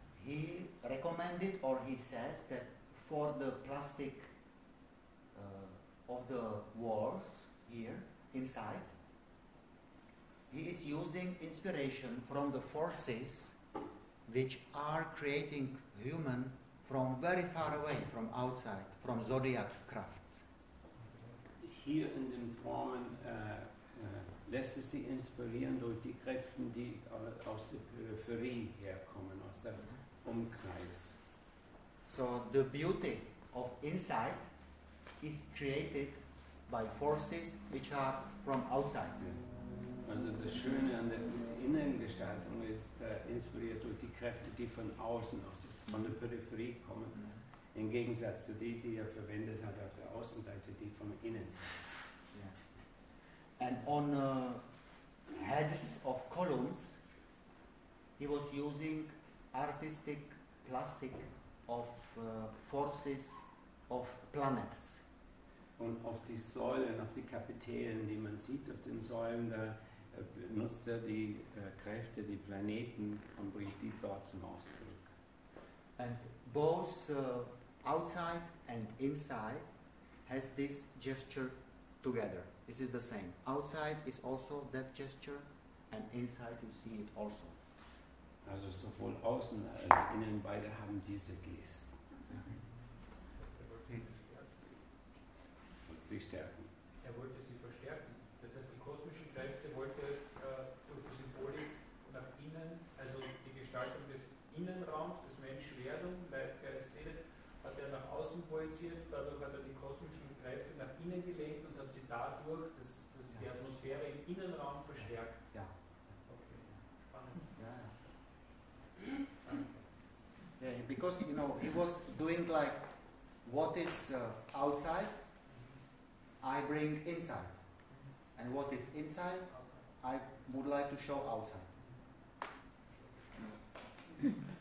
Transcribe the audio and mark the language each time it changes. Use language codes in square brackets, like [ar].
[en] He recommended or he says that for the plastic of the walls here inside, he is using inspiration from the forces which are creating human from very far away, from outside, from zodiac crafts. [de] Hier in den Formen lässt es sich inspirieren durch die Kräfte, die aus der Peripherie herkommen, aus dem Umkreis. [en] So the beauty of inside is created by forces which are from outside. Ja. [de] Also das Schöne an der Innengestaltung ist inspiriert durch die Kräfte, die von außen, von der Peripherie kommen, im Gegensatz zu denen, die er verwendet hat auf der Außenseite, die von innen. [en] And on heads of columns, he was using artistic plastic of forces of planets. [de] Und auf die Säulen, auf die Kapitellen, die man sieht auf den Säulen, da benutzt er die Kräfte, die Planeten, und bringt die dort zum Ausdruck. [en] And both outside and inside has this gesture together. This is the same. Outside is also that gesture, and inside you see it also. [de] Also sowohl außen als innen, beide haben diese Geste. Und sie stärken. Er wollte sie verstärken. Das heißt, die kosmischen Kräfte wollte durch die Symbolik nach innen, also die Gestaltung des Innenraums, des Menschwerdung, Leibgeist, Seele, hat er nach außen projiziert, dadurch hat er die kosmischen Kräfte nach innen gelenkt und hat sie dadurch die Atmosphäre im Innenraum verstärkt. Ja. Okay. Spannend. Ja. Yeah. [en] Yeah, because, you know, he was doing like, what is outside, I bring inside. And what is inside, I would like to show outside.